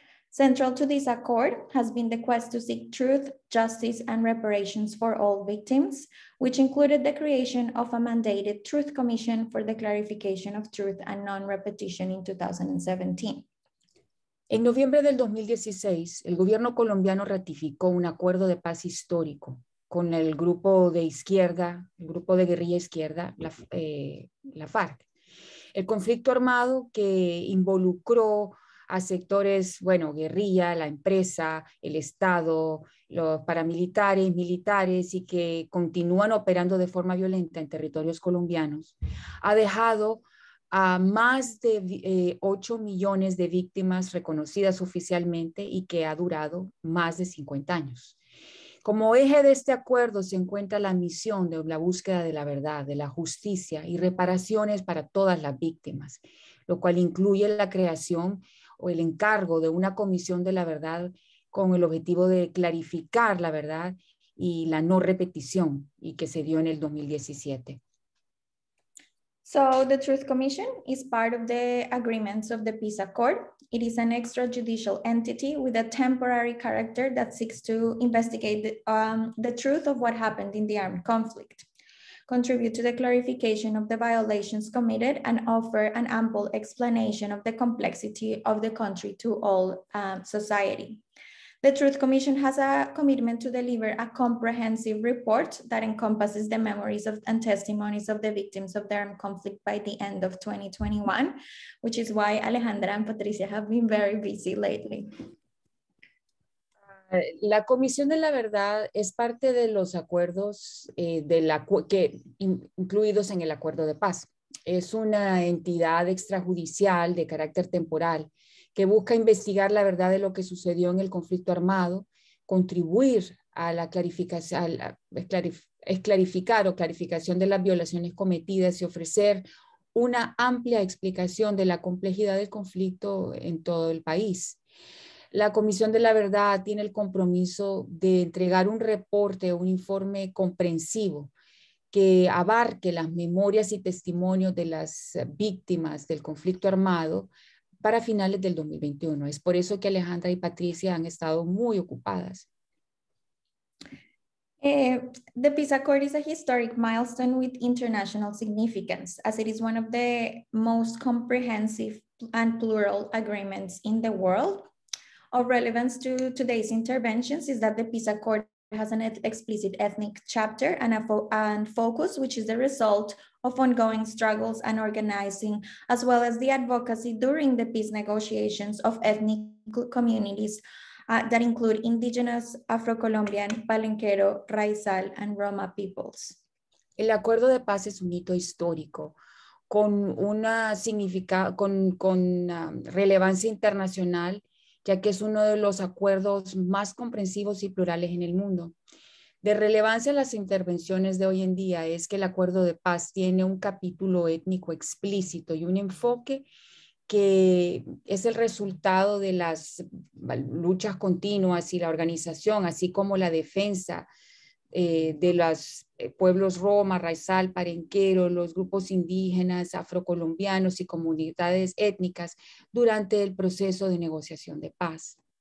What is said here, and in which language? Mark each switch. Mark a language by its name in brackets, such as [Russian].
[English] Central to this accord has been the quest to seek truth, justice, and reparations for all victims, which included the creation of a mandated truth commission for the clarification of truth and non-repetition in 2017. [Spanish] En noviembre del 2016, el gobierno colombiano ratificó un acuerdo de paz histórico con el grupo de izquierda, el grupo de guerrilla izquierda, la FARC. El conflicto armado que involucró a sectores, bueno, guerrilla, la empresa, el Estado, los paramilitares, militares y que continúan operando de forma violenta en territorios colombianos, ha dejado a más de 8 millones de víctimas reconocidas oficialmente y que ha durado más de 50 años. Como eje de este acuerdo se encuentra la misión de la búsqueda de la verdad, de la justicia y reparaciones para todas las víctimas, lo cual incluye la creación o el encargo de una comisión de la verdad con el objetivo de clarificar la verdad y la no repetición y que se dio en el 2017. [English] So the Truth Commission is part of the agreements of the peace accord. It is an extrajudicial entity with a temporary character that seeks to investigate the truth of what happened in the armed conflict, contribute to the clarification of the violations committed and offer an ample explanation of the complexity of the country to all society. The Truth Commission has a commitment to deliver a comprehensive report that encompasses the memories of and testimonies of the victims of the armed conflict by the end of 2021, which is why Alejandra and Patricia have been very busy lately. [Spanish] La Comisión de la Verdad es parte de los acuerdos incluidos en el Acuerdo de Paz. Es una entidad extrajudicial de carácter temporal que busca investigar la verdad de lo que sucedió en el conflicto armado, contribuir a la clarificación de las violaciones cometidas y ofrecer una amplia explicación de la complejidad del conflicto en todo el país. La Comisión de la Verdad tiene el compromiso de entregar un reporte, un informe comprensivo que abarque las memorias y testimonios de las víctimas del conflicto armado para finales del 2021. Es por eso que Alejandra y Patricia han estado muy ocupadas. [English] The peace accord is a historic milestone with international significance, as it is one of the most comprehensive and plural agreements in the world. Of relevance to today's interventions is that the peace accord has an explicit ethnic chapter and focus, which is the result of ongoing struggles and organizing, as well as the advocacy during the peace negotiations of ethnic communities that include indigenous, Afro-Colombian, Palenquero, Raizal, and Roma peoples. [Spanish] El acuerdo de paz es un hito histórico con una significado con relevancia internacional, ya que es uno de los acuerdos más comprensivos y plurales en el mundo. De relevancia a las intervenciones de hoy en día es que el acuerdo de paz tiene un capítulo étnico explícito y un enfoque que es el resultado de las luchas continuas y la organización, así como la defensa de los pueblos Roma, Raizal, Parenquero, los grupos indígenas, afrocolombianos y comunidades étnicas durante el proceso de negociación de paz.